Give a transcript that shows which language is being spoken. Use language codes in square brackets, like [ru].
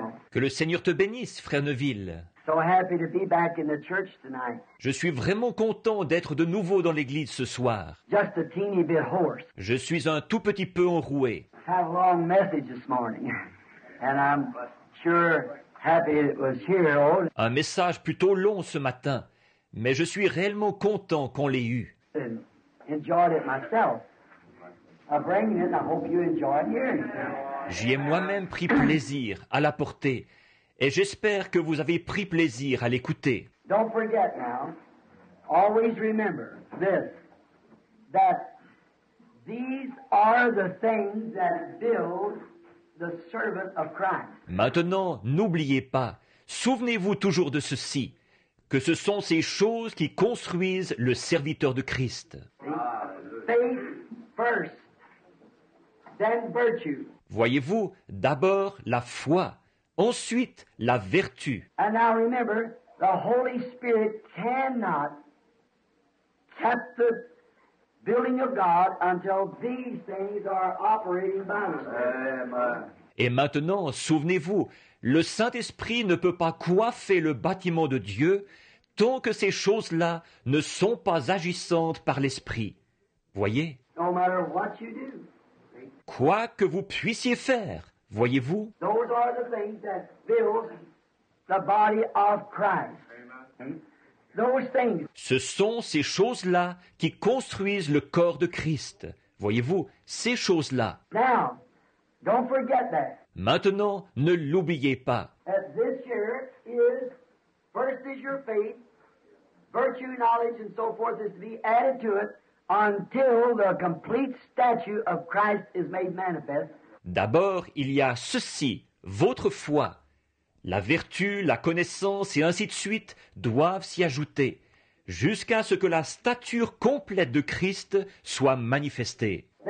[fr] Que le Seigneur te bénisse, Frère Neville. [en] So happy to be back in the church tonight. [fr] Je suis vraiment content d'être de nouveau dans l'église ce soir. [en] Just a teeny bit hoarse. [fr] Je suis un tout petit peu enroué. [en] Had a long message this morning, and I'm sure happy it was here. [fr] Un message plutôt long ce matin, mais je suis réellement content qu'on l'ait eu. [en] Enjoyed it myself. I'm bringing it. I hope you enjoyed hearing it. [fr] J'y ai moi-même pris plaisir à la porter. Et j'espère que vous avez pris plaisir à l'écouter. [en] Don't forget now, always remember this, that these are the things that build the servant of Christ. [fr] Maintenant, n'oubliez pas, souvenez-vous toujours de ceci, que ce sont ces choses qui construisent le serviteur de Christ. [en] Faith first, then virtue. [fr] Voyez-vous, d'abord la foi. Ensuite, la vertu. [en] And now remember, the Holy Spirit cannot cap the building of God until these things are operating by us. [fr] Et maintenant, souvenez-vous, le Saint-Esprit ne peut pas coiffer le bâtiment de Dieu tant que ces choses-là ne sont pas agissantes par l'Esprit. Voyez? [en] No matter what you do. [fr] Quoi que vous puissiez faire, voyez-vous, [en] those are the things that build the body of Christ. Amen. Those things. [fr] Ce sont ces choses-là qui construisent le corps de Christ. Voyez-vous, ces choses-là. [en] Now, don't forget that. [fr] Maintenant, ne l'oubliez pas. [en] This year is, first is your faith, virtue, knowledge, and so forth is to be added to it until the complete statue of Christ is made manifest. [fr] D'abord, il y a ceci, votre foi. La vertu, la connaissance et ainsi de suite doivent s'y ajouter jusqu'à ce que la stature complète de Christ soit manifestée.